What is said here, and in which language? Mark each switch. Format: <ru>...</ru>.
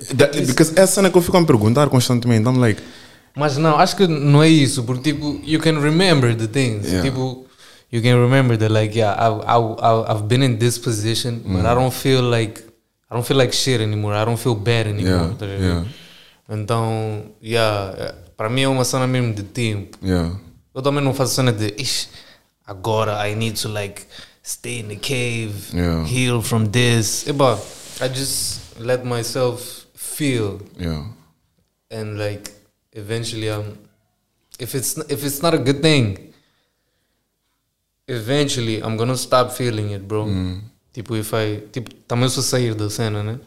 <en>that, because</en> <pt>essa cena que eu fico a me perguntar constantemente,</pt> <en>I'm like,</en> <pt>mas não, acho que não é isso, porque tipo,</pt> <en>you can remember the things. Yeah.</en> <pt>Tipo,</pt> <en>you can remember that, like, I've been in this position, but I don't feel like shit anymore. I don't feel bad anymore. Yeah.</en> <pt>Então, para mim é uma cena mesmo de tempo.</pt> <en>Yeah.</en> <pt>Eu também não faço cena de, ixi, agora</pt> <en>I need to like stay in the cave, heal from this. But I just let myself feel. Yeah. And like, eventually, if it's not a good thing, eventually I'm gonna stop feeling it, bro. Mm.</en> <pt>Tipo,</pt> <en>if I,</en> <pt>tipo, também sou sair da cena, né?</pt>